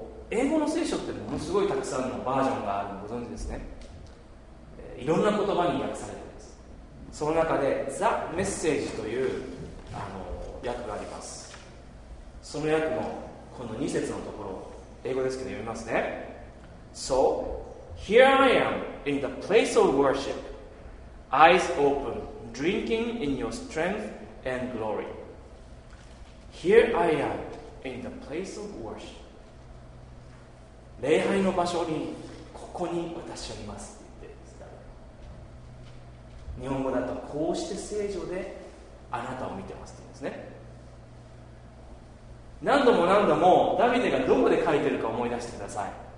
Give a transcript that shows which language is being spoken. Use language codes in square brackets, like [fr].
[ja] 英語の聖書ってものすごいたくさんのバージョンがあるのご存知ですね。いろんな言葉に訳されています。その中でザ・メッセージという訳があります。その訳もこの2節のところ英語ですけど読みますね。 [en] So here I am in the place of worship, eyes open, drinking in your strength and glory. Here I am in the place of worship. [ja] 礼拝の場所に、ここに私はいますって言ってですね。日本語だとこうして聖女であなたを見てますって言うんですね。何度も何度もダビデがどこで書いてるか思い出してください。